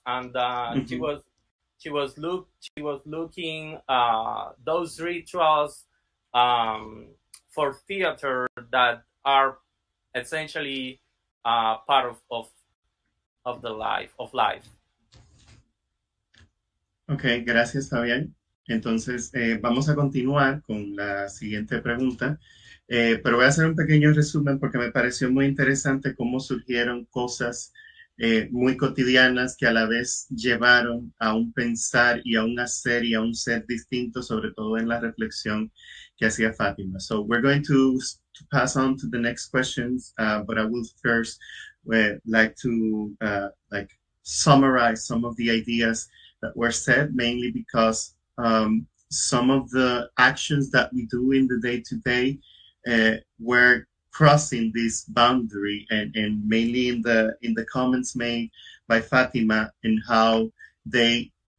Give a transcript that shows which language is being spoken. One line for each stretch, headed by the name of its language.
English: And she was looking those rituals for theater that are essentially part of the life of life.
Spanish: Okay, gracias, Fabián. Entonces, vamos a continuar con la siguiente pregunta, pero voy a hacer un pequeño resumen porque me pareció muy interesante cómo surgieron cosas muy cotidianas que a la vez llevaron a un pensar y a un hacer y a un ser distinto, sobre todo en la reflexión que hacía Fátima.
English: So we're going to pass on to the next questions, but I would first like to summarize some of the ideas that were said, mainly because some of the actions that we do in the day-to-day were crossing this boundary, and mainly in the comments made by Fatima and how they